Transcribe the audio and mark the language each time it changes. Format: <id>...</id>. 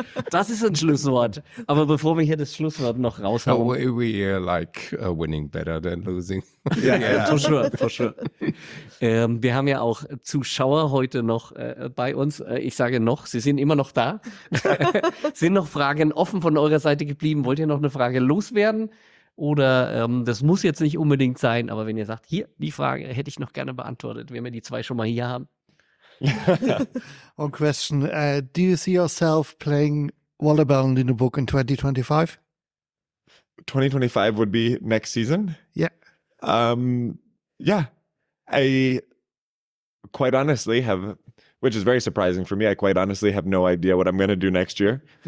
<de>Das ist ein Schlusswort. Aber bevor wir hier das Schlusswort noch raushauen.</de> <en>No, we like winning better than losing. Yeah. For sure, for sure.</en> <de>Wir haben ja auch Zuschauer heute noch bei uns. Ich sage noch, sie sind immer noch da. Sind noch Fragen offen von eurer Seite geblieben? Wollt ihr noch eine Frage loswerden? Oder das muss jetzt nicht unbedingt sein, aber wenn ihr sagt, hier, die Frage hätte ich noch gerne beantwortet, wenn wir die zwei schon mal hier haben.</de> <en>One question. Do you see yourself playing Volleyball in the book in 2025? 2025 would be next season? Yeah. Yeah. I quite honestly have, which is very surprising for me, I quite honestly have no idea what I'm going to do next year.</en>